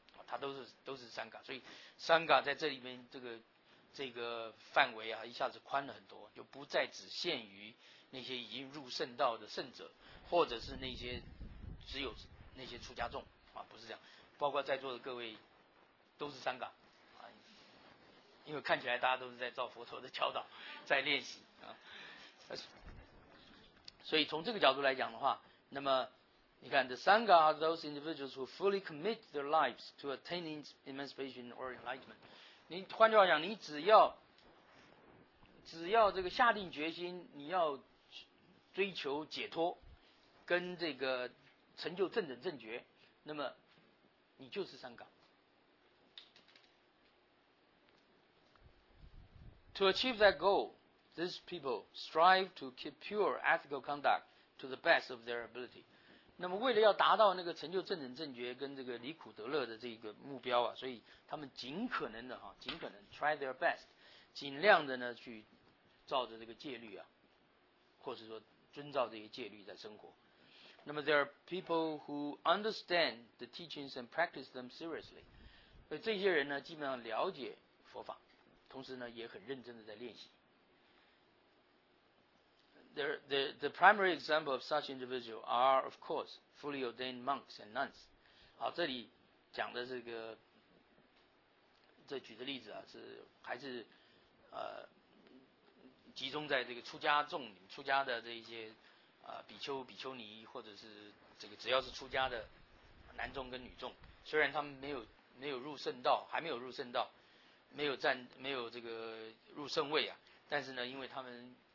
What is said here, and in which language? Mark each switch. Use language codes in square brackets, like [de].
[zh] 它都是三嘎，所以三嘎在这里面这个范围啊，一下子宽了很多，就不再只限于那些已经入圣道的圣者，或者是那些只有那些出家众啊，不是这样，包括在座的各位都是三嘎啊，因为看起来大家都是在照佛陀的教导在练习啊，所以从这个角度来讲的话，那么。你看 [en] the Sangha are those individuals who fully commit their lives to attaining emancipation or enlightenment. [zh] 你换句话讲，你只要这个下定决心，你要追求解脱跟这个成就正等正觉，那么你就是 [en] Sangha. To achieve that goal, these people strive to keep pure ethical conduct to the best of their ability. [zh] 那么为了要达到那个成就正等正觉跟这个离苦得乐的这个目标啊，所以他们尽可能的尽可能 [en] try their best， [zh] 尽量的呢去照着这个戒律啊，或者说遵照这些戒律在生活。那么 [en] there are people who understand the teachings and practice them seriously， [zh] 所以这些人呢基本上了解佛法，同时呢也很认真的在练习。 [en] The primary example of such individuals are, of course, fully ordained monks and nuns. [zh] 好，这里讲的这个，这举的例子啊，是还是集中在这个出家众、出家的这一些比丘尼或者是这个只要是出家的男众跟女众，虽然他们没有入圣道，还没有入圣道，没有这个入圣位啊，但是呢，因为他们。